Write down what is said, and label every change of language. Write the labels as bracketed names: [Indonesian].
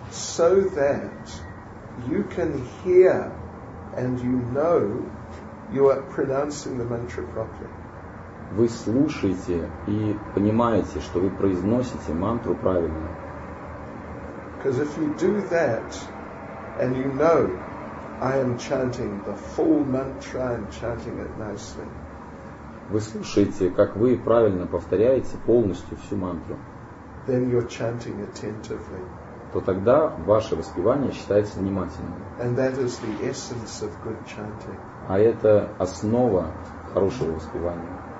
[English] So that you can hear and you know you are pronouncing the mantra properly. [Russian] Вы слушаете и понимаете, что вы произносите мантру правильно. [English] Because if you do that, and you know, I am chanting the full mantra, I'm chanting it nicely. [Russian] Вы слушаете, как вы правильно повторяете полностью всю мантру. [English] Then you're chanting attentively. [Russian] То тогда ваше воспевание считается внимательным. [English] And that is the essence of good chanting. [Russian] А это основа хорошего воспевания.